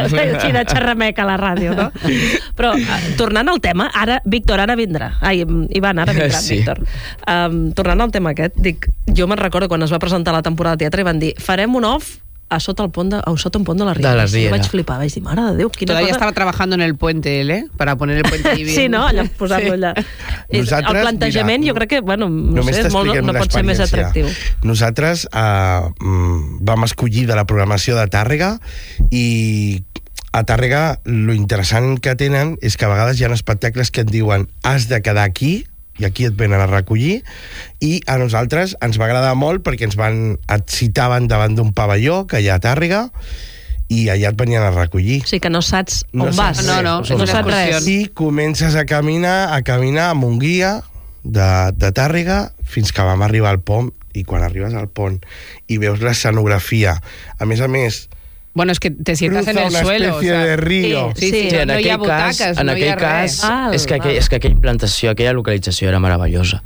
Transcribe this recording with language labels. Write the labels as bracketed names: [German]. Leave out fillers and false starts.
[Catalan] Així de xerrameca a la ràdio, no? Però, tornant al tema, ara, Víctor, ara vindrà. Ai, Ivan, ara vindrà, sí. Víctor. Tornant al tema aquest, dic, jo me'n recordo quan es va presentar la temporada de teatre i van dir, farem un off a sota el pont de la Riera. Jo vaig flipar, vaig dir, mare de Déu, quina [Spanish] todavía [Catalan] cosa... estava treballant en el [Spanish] puente, ¿eh? Para poner el puente allí bien. [Catalan] Sí, no? Allà, posant-lo sí. Allà. Nosaltres, el plantejament, mira, jo crec que, bueno, no sé, molt, no pot ser més atractiu. Nosaltres vam escollir de la programació de Tàrrega i... A Tàrrega, lo interessant que tenen és que a vegades hi ha espectacles que et diuen has de quedar aquí, i aquí et venen a recollir, i a nosaltres ens va agradar molt perquè ens van excitaven davant d'un pavelló que hi ha a Tàrrega i allà et venien a recollir. O sigui que no saps on no vas. No saps res. Si comences a caminar amb un guia de Tàrrega fins que vam arribar al pont, i quan arribes al pont i veus l'escenografia, a més... [Spanish] Bueno, es que te sientas en el suelo. Cruza una especie de río. [Catalan] Sí, no hi ha butaques, no hi ha res. En aquell cas, és que aquella implantació, aquella localització era meravellosa.